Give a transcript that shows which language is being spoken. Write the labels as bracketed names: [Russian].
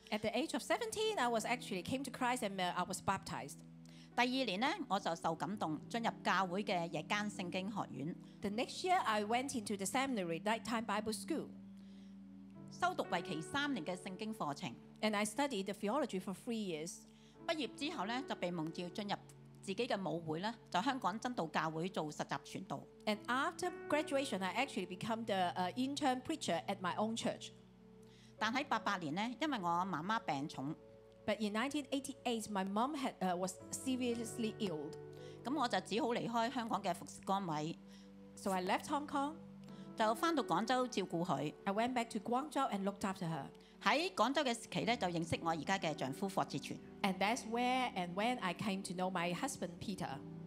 [English] At the age of 17, I was actually came to Christ and I was baptized. [Cantonese] 第二年我就受感动进入教会嘅夜间圣经学院。 [English] The next year, I went into the seminary nighttime Bible school. [Cantonese] 修读为期三年嘅圣经课程。 [English] And I studied the theology for 3 years. [Cantonese] 毕业之后就被蒙召进入 自己的母会就香港真道教会做实习传道。 [English] And after graduation, I actually become the intern preacher at my own church. [Cantonese] 但在88年，因为我妈妈病重。 [English] But in 1988, my mom had was seriously ill. [Cantonese] 咁我就只好离开香港嘅服侍岗位。 [English] So I left Hong Kong. [Cantonese] 就翻到广州照顾佢。 [English] I went back to Guangzhou and looked after her. [Cantonese] 喺广州嘅时期就认识我而家嘅丈夫霍志全。 [English] And that's where and when I came to know my husband Peter.